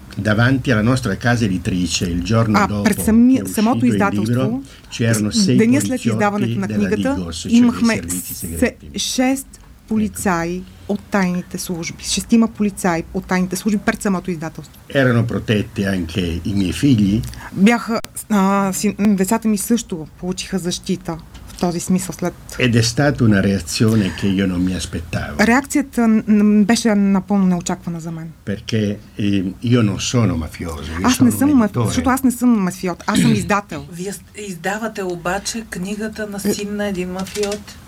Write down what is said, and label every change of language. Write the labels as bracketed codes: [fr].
[it] Davanti alla nostra casa editrice, il giorno dopo [bg] самото издателство, деня след издаването на книгата, имахме 6 полицаи от тайните служби. Шестима полицаи от тайните служби пред самото издателство. [it] Erano protetti anche i miei figli. [bg] Бяха, децата ми също получиха защита. Този смисъл след. [it] Ed è stata una reazione che io non mi aspettavo. [bg] Реакцията беше напълно неочаквана за мен. [it] Perché io non sono mafioso. [bg] Защото аз не съм мафиот, аз съм издател. Вие издавате обаче книгата на син на един мафиот.